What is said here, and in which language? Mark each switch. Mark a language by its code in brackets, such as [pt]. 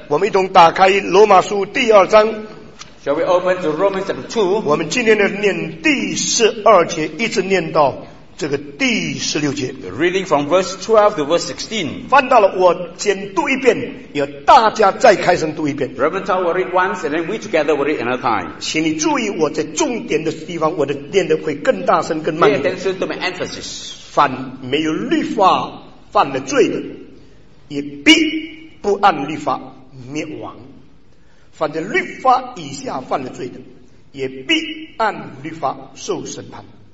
[zh] 我们一同打开罗马书第二章。 [en] Shall we open to Romans chapter 2? [zh] 我们今天的念第十二节，一直念到这个第十六节。 [en] Reading from verse 12 to verse 16. [zh] 翻到了，我先读一遍，也大家再开声读一遍。 [en] Reverend Tao will read once, and then we together will read another time. [zh] 请你注意，我在重点的地方，我的念的会更大声、更慢。 [en] Pay attention to my emphasis. [zh] 犯没有律法犯了罪的，也必不按律法灭亡。犯在律法以下犯了罪的，也必按律法受审判。